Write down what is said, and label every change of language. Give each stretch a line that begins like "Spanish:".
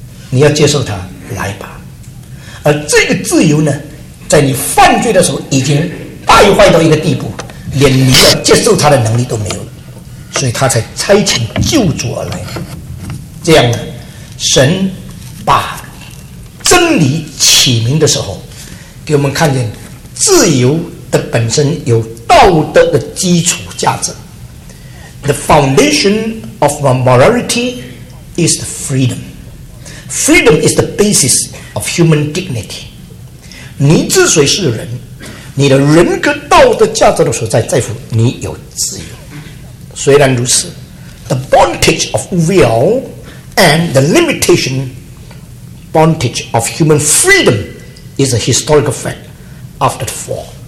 Chinese: 你要接受他，来吧。而这个自由呢，在你犯罪的时候已经败坏到一个地步，连你要接受他的能力都没有了，所以他才差遣救主而来。这样呢，神把真理启明的时候，给我们看见自由的本身有道德的基础价值。
English: The foundation of morality is freedomFreedom is the basis of human dignity.
Chinese: 你之所以是人，你的人格道德价值的所在在乎你有自由。虽然如此，
English: The bondage of will and the limitation bondage of human freedom is a historical fact after the fall.